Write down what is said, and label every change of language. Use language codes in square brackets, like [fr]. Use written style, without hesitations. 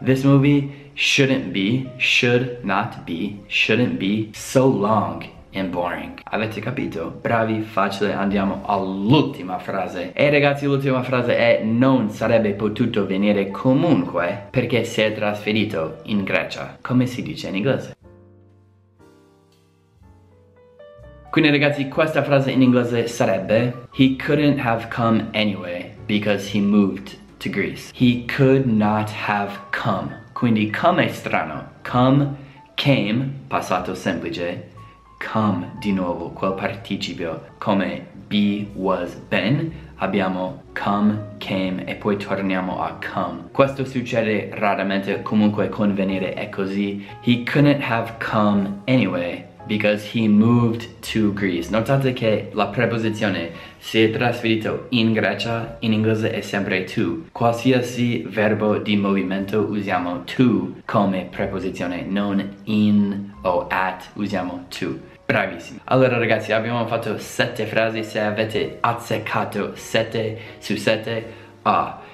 [en] This movie shouldn't be, should not be, shouldn't be so long and boring. [it] Avete capito? Bravi, facile, andiamo all'ultima frase. E ragazzi, l'ultima frase è: non sarebbe potuto venire comunque perché si è trasferito in Grecia. Come si dice in inglese? Quindi ragazzi, questa frase in inglese sarebbe: he couldn't have come anyway because he moved to Greece. [en] He could not have come. Quindi come è strano. [it] Come, came, passato semplice. Come, di nuovo, quel participio. Come be, was, been, abbiamo come, came e poi torniamo a come. Questo succede raramente, comunque con venire è così. [en] He couldn't have come anyway because he moved to Greece. [it] Notate che la preposizione si è trasferito in Grecia, in inglese è sempre to. Qualsiasi verbo di movimento usiamo to come preposizione, non in o at, usiamo to. Bravissimi. Allora ragazzi, abbiamo fatto 7 frasi. Se avete azzeccato 7 su 7, A.